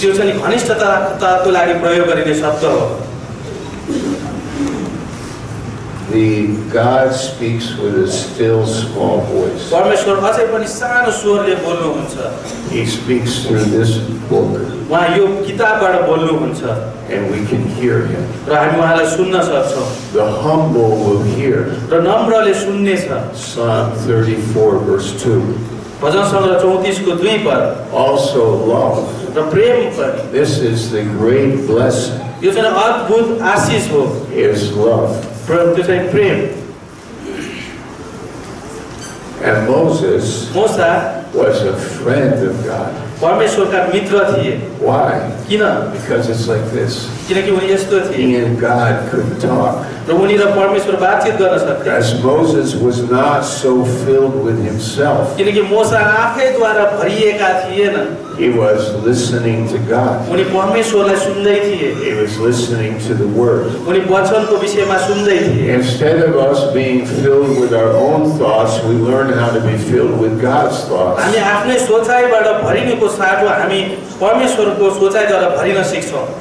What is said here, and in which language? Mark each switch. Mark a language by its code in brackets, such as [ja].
[ne] त्यो चाहिँ घनिष्ठताको लागि प्रयोग गरिने शब्द हो [en] The God speaks with a still small voice. [ne] परमेश्वर अझै पनि सानो स्वरले बोल्नुहुन्छ. [en] He speaks through this book. [ne] वहाँ यो किताबबाट बोल्नुहुन्छ. [en] And we can hear him. [ne] र हामी उहाँलाई सुन्न सक्छौँ. [en] The humble will hear. [ne] र नम्रले सुन्नेछ. [en] Psalm 34 verse 2. [ne] भजन संग्रह 34 को दुई पद [en] also love [ne] र प्रेम पनि [en] this is the great blessing [ne] यो चाहिँ अद्भुत आशिष हो [en] is love [ne] प्रेम त्यो चाहिँ प्रेम [en] and Moses [ne] Musa [en] was a friend of God [ne] परमेश्वरका मित्र थिए [en] why [ne] किन [en] because it's like this [ne] किनकि उनी यस्तो थिए [en] and God could talk [ne] र उनी र परमेश्वर बातचीत गर्न सक्थे [en] as Moses was not so filled with himself [ne] किनकि मोसा आफै द्वारा भरिएका थिएन [en] he was listening to God [ne] उनी परमेश्वरलाई सुन्दै थिए [en] he was listening to the word [ne] उनी वचनको विषयमा सुन्दै थिए [en] instead of us being filled with our own thoughts we learn how to be filled with God's thoughts [ne] हामी आफ्नै सोचाइबाट भरिनेको साटो हामी परमेश्वरको सोचाइद्वारा भरिन सिक्छौं